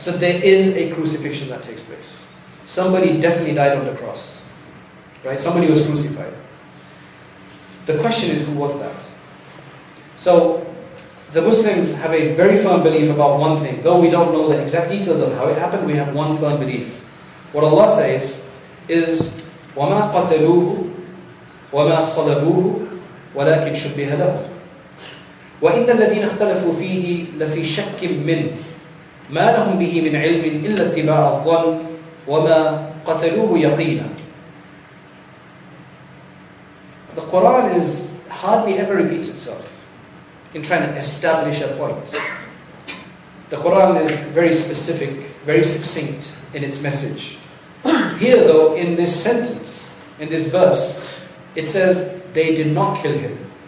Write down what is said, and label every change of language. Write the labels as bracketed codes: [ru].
[en] So there is a crucifixion that takes place. Somebody definitely died on the cross. Right? Somebody was crucified. The question is, who was that? So, the Muslims have a very firm belief about one thing. Though we don't know the exact details of how it happened, we have one firm belief. What Allah says is, [ar] وَمَا قَتَلُوهُ وَمَا صَلَبُوهُ وَلَكِنْ شُبِّهَ لَهُ وَإِنَّ الَّذِينَ اخْتَلَفُوا فِيهِ لَفِي شَكٍّ مِّنْ مَا لَهُمْ بِهِ مِنْ عِلْمٍ إِلَّا اتِّبَاعَ الظَّنِّ وَمَا قَتَلُوهُ يَقِينًا. [en] The Quran is hardly ever repeats itself in trying to establish a point. The Quran is very specific, very succinct in its message. Here though, in this sentence, in this verse, it says, they did not kill him.